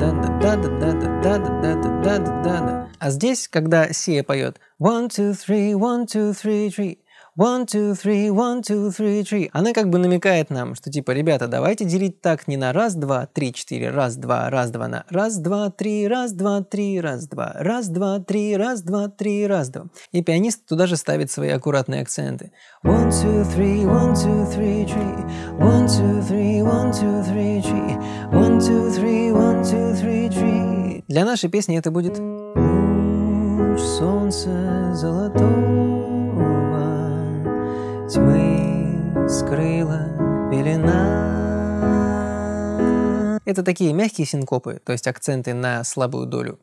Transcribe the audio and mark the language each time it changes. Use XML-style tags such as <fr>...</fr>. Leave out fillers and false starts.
<ru>А здесь, когда Сия поет</ru> <en>one, two, three, one, two, three, three,</en> <ru>one, two, three, one, two, three, three, она как бы намекает нам, что типа, ребята, давайте делить так не на раз, два, три, четыре, раз, два, раз, два, на раз, два, три, раз, два, три, раз, два, раз, два, три, раз, два, три, раз, два. И пианист туда же ставит свои аккуратные акценты.</ru> <en>One, two, three, one, two, three, three, one, two, three, one, two, three, three, one, two, three, one, two, three, three.</en> <ru>Для нашей песни это будет луч солнца золотого тьмы скрыла пелена. Это такие мягкие синкопы, то есть акценты на слабую долю.</ru>